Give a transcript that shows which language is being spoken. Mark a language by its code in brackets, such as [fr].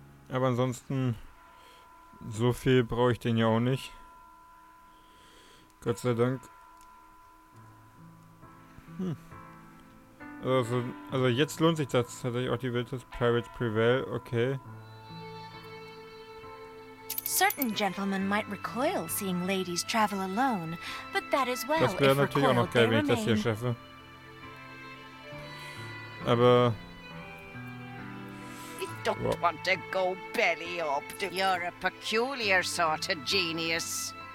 [de] Aber ansonsten, so viel brauche ich den ja auch nicht. Gott sei Dank. Also jetzt lohnt sich das tatsächlich auch die Welt des Pirates Prevail, okay. [en] Certain gentlemen might recoil seeing ladies travel alone, but that is well. [de] Das wäre natürlich auch noch geil, wenn ich das hier schaffe. Aber [en] you don't want to go belly up. You're a peculiar sort of genius.